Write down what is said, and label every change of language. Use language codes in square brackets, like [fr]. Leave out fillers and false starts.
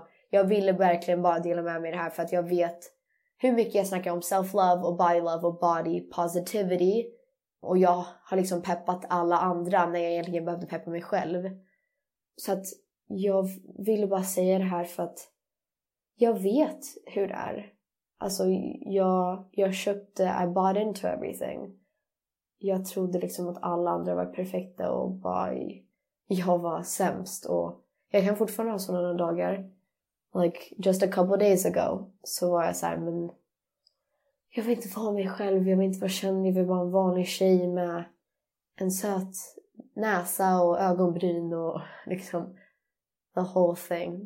[sv] Jag ville verkligen bara dela med mig det här, för att jag vet hur mycket jag snackar om self-love och body-love och body positivity. Och jag har liksom peppat alla andra när jag egentligen behövde peppa mig själv. Så att jag ville bara säga det här för att jag vet hur det är. Alltså jag köpte, [en] I bought into everything. [sv] Jag trodde liksom att alla andra var perfekta och bara jag var sämst. Och jag kan fortfarande ha sådana dagar. [en] Like just a couple days ago [sv] så var jag så här, men jag vill inte vara mig själv. Jag vill inte vara känd. Jag vill vara en vanlig tjej med en söt näsa och ögonbryn och liksom [en] the whole thing.